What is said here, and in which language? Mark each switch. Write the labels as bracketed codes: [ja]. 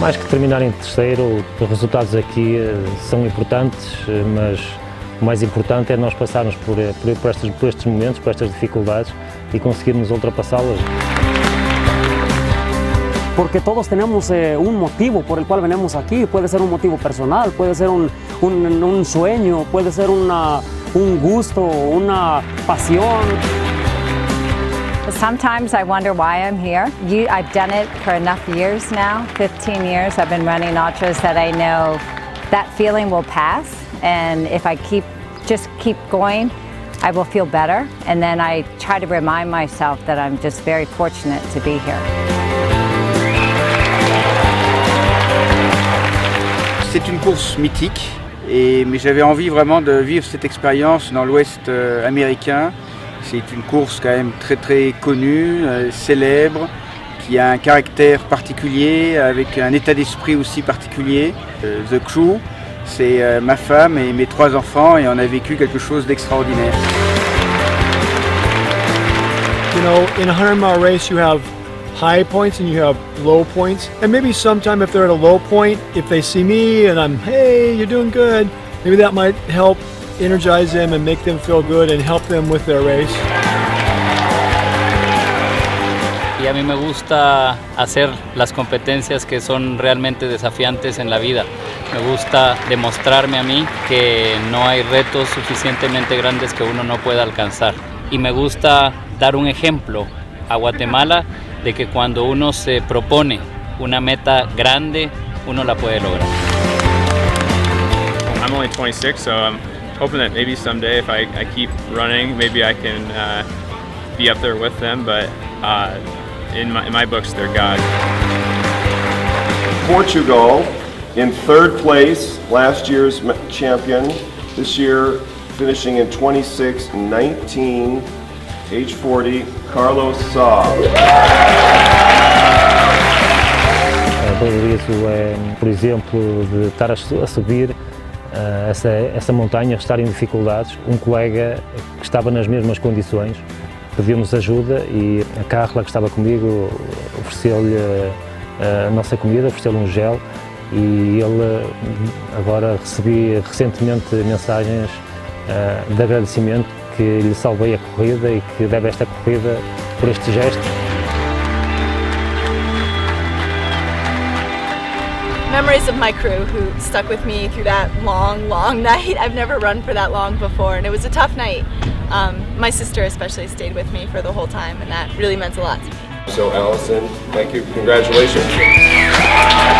[pt] Terminar em terceiro, os resultados aqui são importantes, mas o mais importante é nós passarmos por estes momentos, por estas dificuldades e conseguirmos ultrapassá-las. Porque todos temos um motivo por [es] el [pt] qual [es] venimos [pt] aqui, pode ser um motivo personal, pode ser um [es] sueño, [pt] pode ser um gusto, uma paixão. [en] Sometimes I wonder why I'm here. I've done it for enough years now, 15 years I've been running ultras, that I know that feeling will pass, and if I keep going, I will feel better. And then I try to remind myself that I'm just very fortunate to be here. [fr] C'est une course mythique, mais j'avais envie vraiment de vivre cette expérience dans l'Ouest américain. C'est une course quand même très très connue, célèbre, qui a un caractère particulier, avec un état d'esprit aussi particulier. [en] The crew, [fr] c'est ma femme et mes trois enfants, et on a vécu quelque chose d'extraordinaire. [en] You know, in a 100-mile race, you have high points and you have low points. And maybe sometime if they're at a low point, if they see me and I'm, hey, you're doing good, maybe that might help energize them and make them feel good and help them with their race. [es] Y a mí me gusta hacer las competencias que son realmente desafiantes en la vida. Me gusta demostrarme a mí que no hay retos suficientemente grandes que uno no pueda alcanzar. Y me gusta dar un ejemplo a Guatemala de que cuando uno se propone una meta grande, uno la puede lograr. [en] I'm only 26, so I'm hoping that maybe someday, if I keep running, maybe I can be up there with them. But in my books, they're God. Portugal in third place, last year's champion. This year, finishing in 26:19, age 40, Carlos Saab. [pt] Valorizo, por exemplo, de estar a subir essa montanha, estar em dificuldades. Um colega que estava nas mesmas condições pediu-nos ajuda e a Carla, que estava comigo, ofereceu-lhe a nossa comida, ofereceu-lhe um gel, e ele agora recebi recentemente mensagens de agradecimento que lhe salvei a corrida e que deve esta corrida por este gesto. [en] Memories of my crew who stuck with me through that long, long night. I've never run for that long before, and it was a tough night. My sister especially stayed with me for the whole time, and that really meant a lot to me. So Allison, thank you, congratulations.